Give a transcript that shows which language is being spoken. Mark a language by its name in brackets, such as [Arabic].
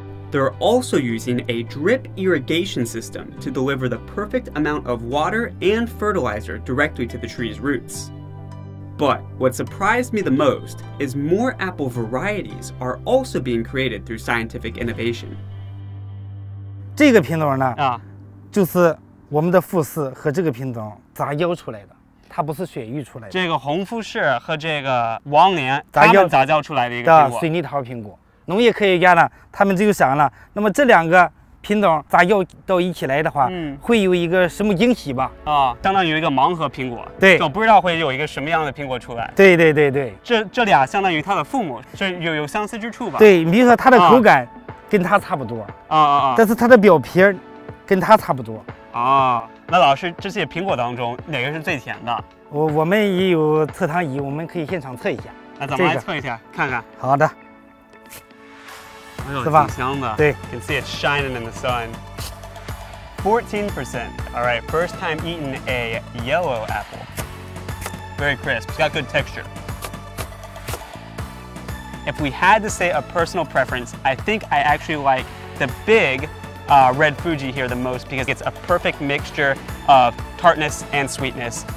[English] They're also using a drip irrigation system to deliver the perfect amount of water and fertilizer directly to the tree's roots. But what surprised me the most is more apple varieties are also being created through scientific innovation. [Chinese] 这个品种呢，就是我们的富士和这个品种杂交出来的。它不是血育出来的。这个红富士和这个王莲，他们杂交出来的一个苹果，水蜜桃苹果。农业科学家呢，他们就想了，那么这两个品种杂交到一起来的话，会有一个什么惊喜吧？相当于一个盲盒苹果，对，就不知道会有一个什么样的苹果出来。对对对对，这俩相当于它的父母，这有相似之处吧？对，比如说它的口感跟它差不多，但是它的表皮跟它差不多。那老师，这些苹果当中哪个是最甜的？我们也有测糖仪，我们可以现场测一下。那咱们来测一下，看看。好的。是吧？挺香的。对。 [English] You can see it shining in the sun. 14%. All right, first time eating a yellow apple. Very crisp. It's got good texture. If we had to say a personal preference, I think I actually like the big red Fuji here the most because it's a perfect mixture of tartness and sweetness.